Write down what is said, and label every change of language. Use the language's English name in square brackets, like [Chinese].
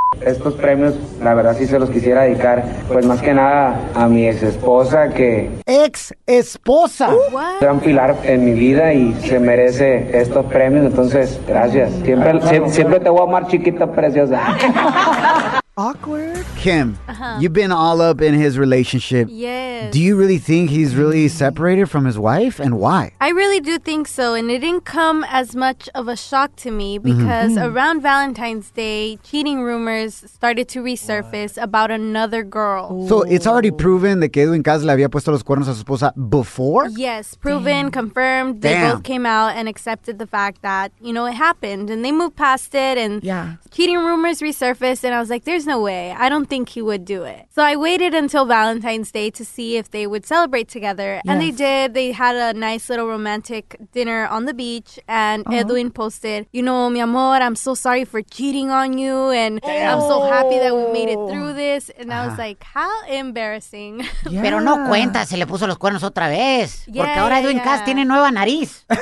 [Spanish] Estos premios, la verdad, sí se los quisiera dedicar, pues más que nada a mi exesposa, que... ¡Exesposa! [English] ¿What? [Spanish] Gran pilar en mi vida y se merece estos premios, entonces, gracias. Siempre te voy a amar, chiquita preciosa. [English] Awkward. Kim, you've been all up in his relationship. Yes. Do you really think he's really separated from his wife and why? I really do think so. And it didn't come as much of a shock to me because around Valentine's Day, cheating rumors started to resurface about another girl. Ooh. So it's already proven that Edwin Cass [Spanish] le había puesto los cuernos a su esposa [English] before? Yes, proven, damn. Confirmed. They damn. Both came out and accepted the fact that, you know, it happened and they moved past it and cheating rumors resurfaced. And I was like, there's no way. I don't think he would do it. So I waited until Valentine's Day to see if they would celebrate together. Yes. And they did. They had a nice little romantic dinner on the beach. And Edwin posted, you know, [Spanish] mi amor, [English] I'm so sorry for cheating on you. And I'm so happy that we made it through this. And I was like, how embarrassing. Yeah. [Spanish] Pero no cuenta si le puso los cuernos otra vez. Yeah, porque ahora Edwin Cass tiene nueva nariz.